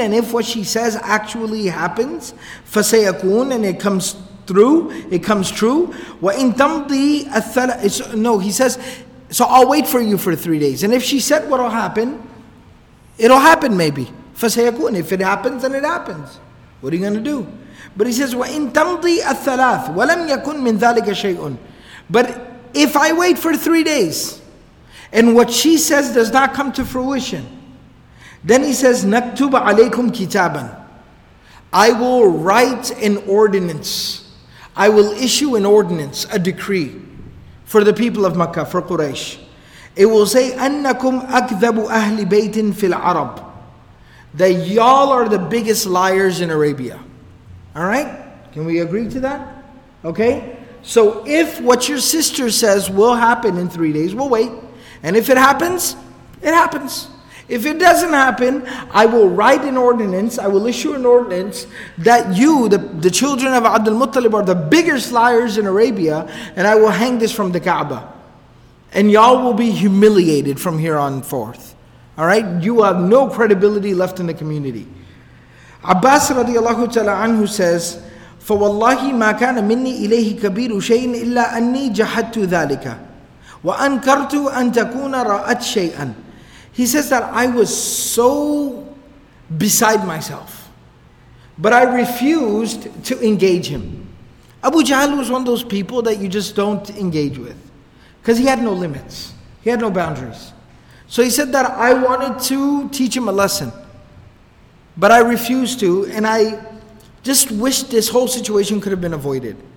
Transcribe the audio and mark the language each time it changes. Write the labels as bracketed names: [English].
[English] And if what she says actually happens, [Arabic] فَسَيَكُونَ, [English] and it comes through, it comes true. [Arabic] وَإِنْ تَمْضِي الثَّلَاثِ. [English] No, he says, so I'll wait for you for 3 days. And if she said what'll happen, it'll happen maybe. [Arabic] فَسَيَكُونَ. [English] If it happens, then it happens. What are you going to do? But he says, [Arabic] وَإِنْ تَمْضِي الثَّلَاثِ وَلَمْ يَكُنْ مِنْ ذَلِكَ شَيْءٌ. [English] But if I wait for 3 days, and what she says does not come to fruition, then he says, [Arabic] نَكْتُبَ عَلَيْكُمْ كِتَابًا. [English] I will write an ordinance. I will issue an ordinance, a decree, for the people of Makkah, for Quraysh. It will say, [Arabic] أَنَّكُمْ أَكْذَبُ أَهْلِ بَيْتٍ فِي الْعَرَبِ. [English] That y'all are the biggest liars in Arabia. All right? Can we agree to that? Okay? So if what your sister says will happen in 3 days, we'll wait. And if it happens, it happens. If it doesn't happen, I will write an ordinance, I will issue an ordinance that you, the children of Abdul Muttalib, are the biggest liars in Arabia, and I will hang this from the Kaaba. And y'all will be humiliated from here on forth. Alright? You have no credibility left in the community. Abbas radiallahu ta'ala anhu says, [Arabic] فَوَاللَّهِ مَا كَانَ مِنِّي إِلَيْهِ كَبِيرُ شَيْءٍ إِلَّا أَنِّي جَحَدْتُ ذَلِكَ وَأَنْكَرْتُ أَنْ تَكُونَ رَأَتْ شَيْئًا. [English] He says that I was so beside myself, but I refused to engage him. Abu Jahl was one of those people that you just don't engage with, because he had no limits, he had no boundaries. So he said that I wanted to teach him a lesson, but I refused to, and I just wish this whole situation could have been avoided.